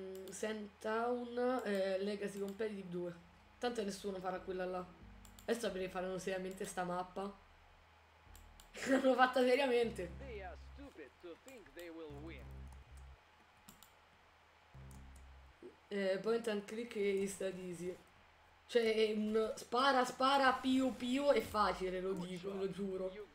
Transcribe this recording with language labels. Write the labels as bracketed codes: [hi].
[it] Sandtown, Legacy Competitive 2. Tanto nessuno farà quella là. Adesso avrei fatto seriamente sta mappa. L'hanno fatta seriamente. [en] They are stupid to think they will win. Point and click is that easy. [it] Cioè, spara, spara, piu, piu, è facile, lo dico, lo giuro.